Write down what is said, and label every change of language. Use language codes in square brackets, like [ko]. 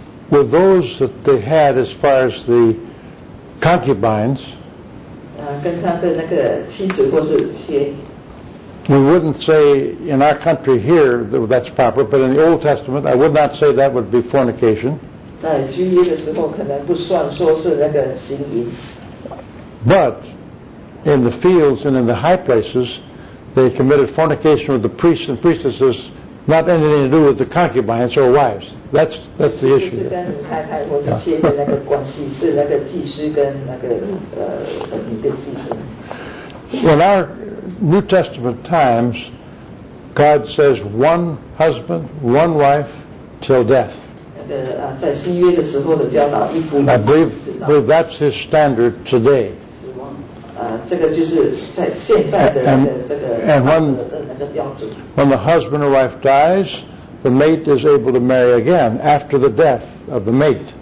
[en] With those that they had as far as the concubines, [zh] 跟他的那个妻子或是妻 [en] 子, we wouldn't say in our country here that that's proper, but in the Old Testament, I would not say that would be fornication. [zh] 在旧约的时候可能不算说是那个行淫。 [en] But in the fields and in the high places, they committed fornication with the priests and priestesses, not anything to do with the concubines or wives. That's the issue. [zh] 是跟太太或者妻子那个关系，是那个祭司跟那个你的祭司。 [en] In our New Testament times, God says one husband, one wife, till death. [zh] 在新约的时候的教导，一夫一妻。 [en] I believe that's His standard today. [zh] 这个就是在现在的那个这个 [en] When the husband or wife dies, the mate is able to marry again after the death of the mate.